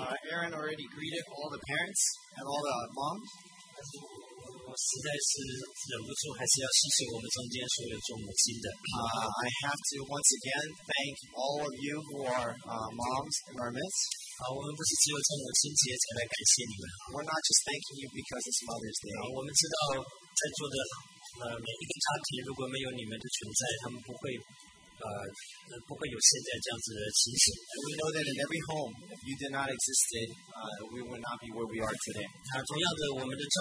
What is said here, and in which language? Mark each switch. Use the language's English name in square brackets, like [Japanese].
[English] Aaron already greeted all the parents and all the moms. [Chinese] 实在是忍不住还是要谢谢我们中间所有做母亲的 [English] I have to once again thank all of you who are moms in our midst. [Chinese] 我们不是只有在母亲节才来感谢你们 [English] We're not just thanking you because it's Mother's Day. [Chinese] 我们知道在座的 每一个家庭如果没有你们的存在他们不会 [English] We know that in every home, if you did not exist, we would not be where we are today.